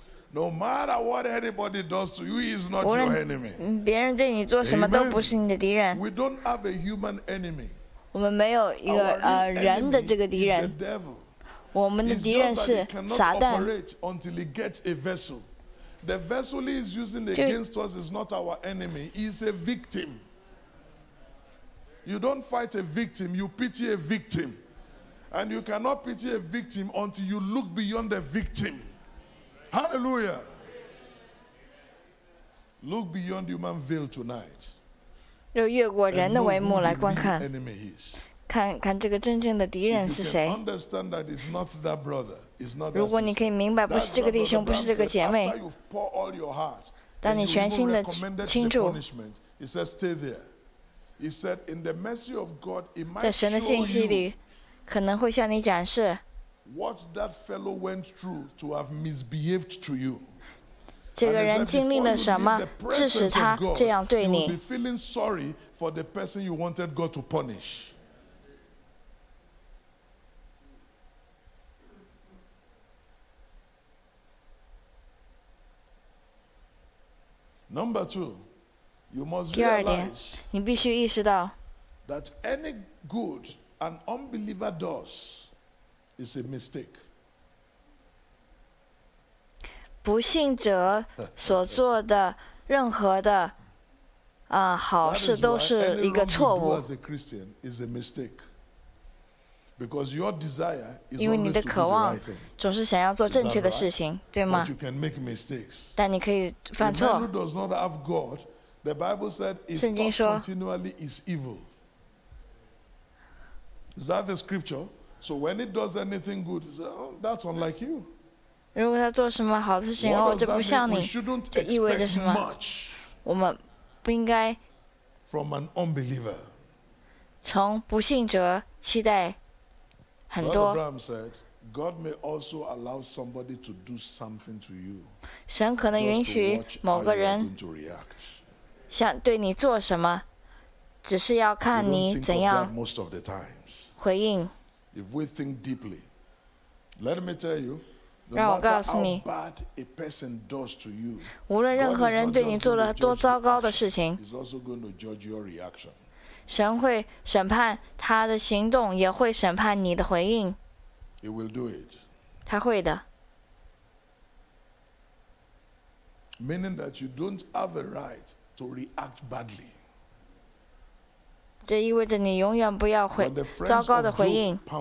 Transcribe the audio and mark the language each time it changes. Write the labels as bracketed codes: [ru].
[en] No matter what anybody does to you, he is not your enemy. [zh] 别人对你做什么都不是你的敌人。 [en] We don't have a human enemy. [zh] 我们没有一个人的这个敌人。 [en] The devil. [zh] 我们的敌人是撒旦。 [en] He cannot operate until he gets a vessel. The vessel he is using against us is not our enemy. He is a victim. You don't fight a victim. You pity a victim, and you cannot pity a victim until you look beyond the victim. Hallelujah. Look beyond the human veil tonight. [zh] 就越过人的帷幕来观看。 [en] Enemy is. [zh] 看这个真正的敌人是谁。 [en] Understand that it's not that brother, it's not. [zh] 如果你可以明白，不是这个弟兄，不是这个姐妹。 [en] After you pour all your heart, [zh] 当你全心的倾注。 [en] He says, "Stay there." He said, "In the mercy of God, it might show you." [zh] 在神的信息里，可能会向你展示。 [en] What that fellow went through to have misbehaved to you. [zh] 这个人经历了什么，致使他这样对你？ [en] You will be feeling sorry for the person you wanted God to punish. Number two, you must realize. [zh] 你必须意识到。 [en] That any good an unbeliever does. It's a mistake. [zh] 不信者所做的任何的好事都是一个错误。 [en] As a Christian, is a mistake. Because your desire is [zh] 因为你的渴望总是想要做正确的事情，对吗？ [en] But you can make mistakes. [zh] 但你可以犯错。 [en] A man who does not have God, the Bible said, is continually is evil. Is that the scripture? So when it does anything good, he says, "Oh, that's unlike you." [zh] 如果他做什么好事情，哦，这不像你，这意味着什么？我们不应该 [en] from an unbeliever [zh] 从不信者期待很多。 [en] Brother Abraham said, "God may also allow somebody to do something to you." [zh] 神可能允许某个人想对你做什么，只是要看你怎样回应。 [en] If we think deeply, let me tell you, no matter how bad a person does to you, [zh] 无论任何人对你做了多糟糕的事情， [en] He's also going to judge your reaction. [zh] 神会审判他的行动，也会审判你的回应。 [en] He will do it. [zh] 他会的。 [en] Meaning that you don't have a right to react badly. [zh] 这意味着你永远不要回糟糕的回应。